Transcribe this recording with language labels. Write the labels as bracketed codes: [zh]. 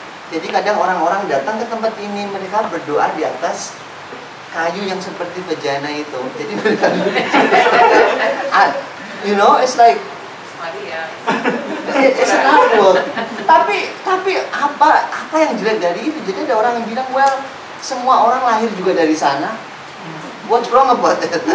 [id] Jadi kadang orang-orang datang ke tempat ini, mereka berdoa di atas kayu yang seperti vagina itu. Jadi mereka, [en] you know, it's like, it's an awful. [id] Tapi apa yang jelek dari itu? Jadi ada orang yang bilang, well, semua orang lahir juga dari sana. [en] What's wrong about it?